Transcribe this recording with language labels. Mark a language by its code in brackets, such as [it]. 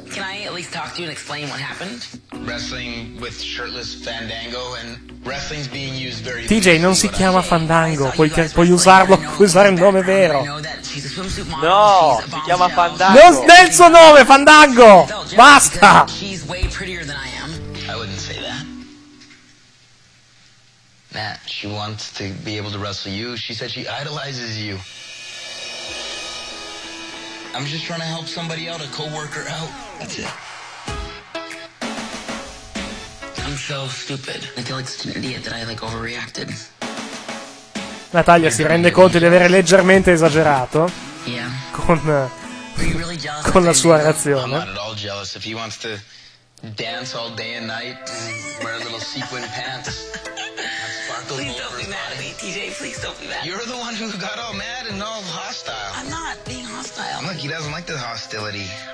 [en] Can I at least talk to you and explain what happened? Wrestling with shirtless Fandango and... wrestling's being used very [it] TJ non si chiama Fandango, puoi usarlo, puoi usare il nome vero. No, si chiama Fandango. Non nel suo nome, Fandango! Basta! [en] She's way prettier than I am. I wouldn't say that. Matt, she wants to be able to wrestle you. She said she idolizes you. I'm just trying to help somebody out, a coworker out. That's it. I'm so stupid. I feel like such an idiot that I like overreacted. [it] Natalia si rende conto di avere leggermente esagerato. [en] Yeah. [it] Con la sua reazione. [en] I'm not at all jealous. If he wants to dance all day and night and wear little sequin pants. Please don't be mad at me, TJ. Please don't be mad. You're the one who got all mad and all hostile. I'm not being hostile. Look, he doesn't like the hostility.